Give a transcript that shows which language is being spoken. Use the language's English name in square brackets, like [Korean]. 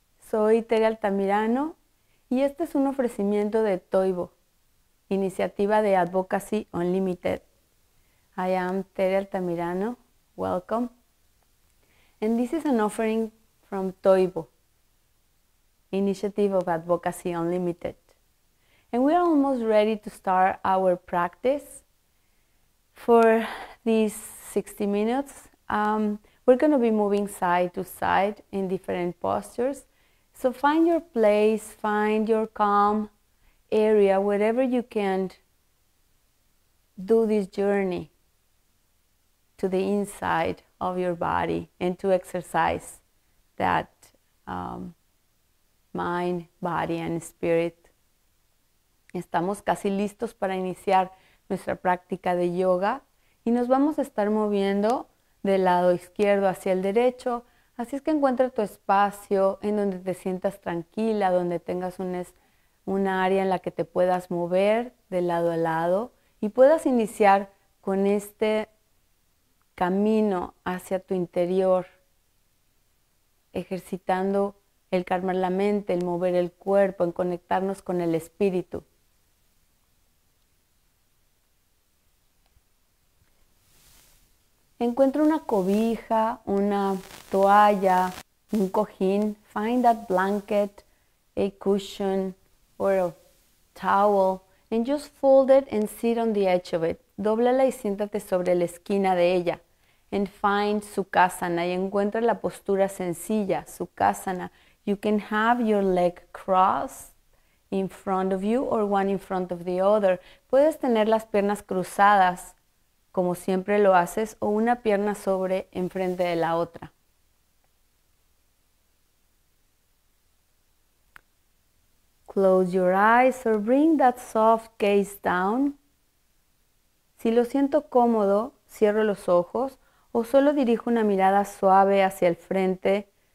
[Spanish] Soy Tere Altamirano y este es un ofrecimiento de Toivo, iniciativa de Advocacy Unlimited. [English] I am Tere Altamirano. Welcome. And this is an offering from Toivo, Initiative of Advocacy Unlimited. And we are almost ready to start our practice for these 60 minutes. We're going to be moving side to side in different postures. So find your place, find your calm area, wherever you can do this journey to the inside of your body and to exercise that mind, body and spirit. [Spanish] Estamos casi listos para iniciar nuestra práctica de yoga y nos vamos a estar moviendo del lado izquierdo hacia el derecho. Así es que encuentra tu espacio en donde te sientas tranquila, donde tengas un área en la que te puedas mover de lado a lado y puedas iniciar con este camino hacia tu interior, ejercitando el calmar la mente, el mover el cuerpo, en conectarnos con el espíritu. Encuentra una cobija, una toalla, un cojín. [English] Find that blanket, a cushion, or a towel, and just fold it and sit on the edge of it. [Spanish] Dóblala y siéntate sobre la esquina de ella. [English] And find [Spanish] Sukhasana, y encuentra la postura sencilla, Sukhasana. [English] You can have your leg crossed in front of you or one in front of the other. [Spanish] Puedes tener las piernas cruzadas, como siempre lo haces, o una pierna sobre enfrente de la otra. [English] Close your eyes or bring that soft gaze down. [Spanish] Si lo siento cómodo, cierro los ojos. O solo dirijo una mirada suave hacia el frente.